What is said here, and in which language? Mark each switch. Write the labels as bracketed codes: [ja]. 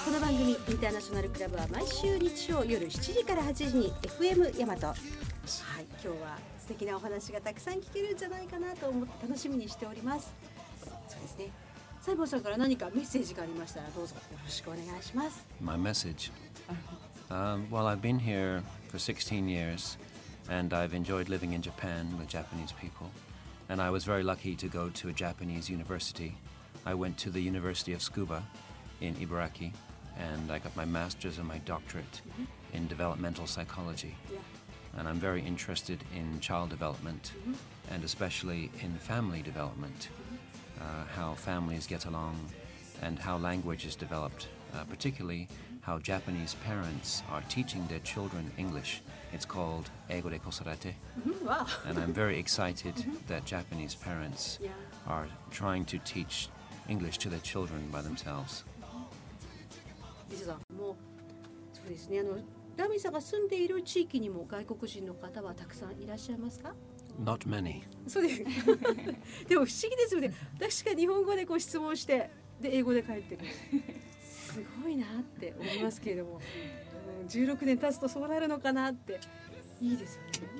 [ja] イインターナショナルクラブは毎週日曜夜7時から8時に FM 大和、はい、今日は素敵なお話がたくさん聞けるんじゃないかなと思って楽しみにしております。そうですね、西郷さんから何かメッセージがありましたらどうぞよろしくお願いします。 [en] My message well, I've been here for 16 years and I've enjoyed living in Japan with Japanese people and I was very lucky to go to a Japanese university. I went to the University of Tsukuba in Ibaraki and I got my master's and my doctorate in developmental psychology. And I'm very interested in child development and especially in family development, how families get along and how language is developed, particularly how Japanese parents are teaching their children English. It's called [ja] 英語で子育て [en] And I'm very excited that Japanese parents are trying to teach English to their children by themselves. [ja] リサさん、もう、そうですね、ラミさんが住んでいる地域にも外国人の方はたくさんいらっしゃいますか？ [en] Not many. [ja] そうです。でも不思議ですよね。確か日本語でこう質問して、で英語で返ってくる。すごいなって思いますけれども、16年経つとそうなるのかなって。いいですよね。